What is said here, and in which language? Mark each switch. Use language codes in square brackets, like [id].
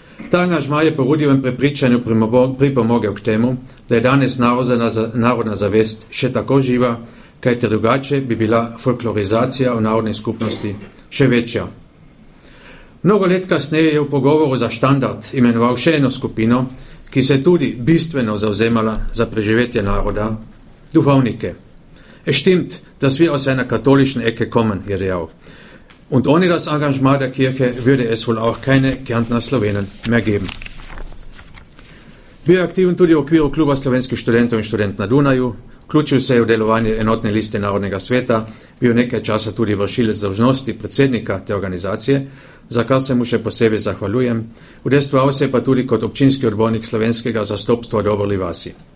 [sl] Ta angažma je po Rudijevem prepričanju pripomogel k temu, da je danes narodna zavest še tako živa, kajte drugače bi bila folklorizacija v narodni skupnosti še večja. Mnogo let kasneje je v pogovoru za Štandard imenoval še eno skupino, ki se tudi bistveno zauzemala za preživetje naroda, duhovnike. [de] Es stimmt, dass wir aus einer katholischen Ecke kommen, [sl] je dejal. [de] Und ohne das Engagement der Kirche würde es wohl auch keine Kärntner Slowenen mehr geben. [sl] Bil je aktiven tudi v okviru Kluba slovenskih študentov in študent na Dunaju, vključil se je v delovanje enotne liste Narodnega sveta, bil nekaj časa tudi vršilec dolžnosti predsednika te organizacije, za kar se mu še posebej zahvaljujem, udejstvoval se pa tudi kot občinski odbornik slovenskega zastopstva Dobrli vasi.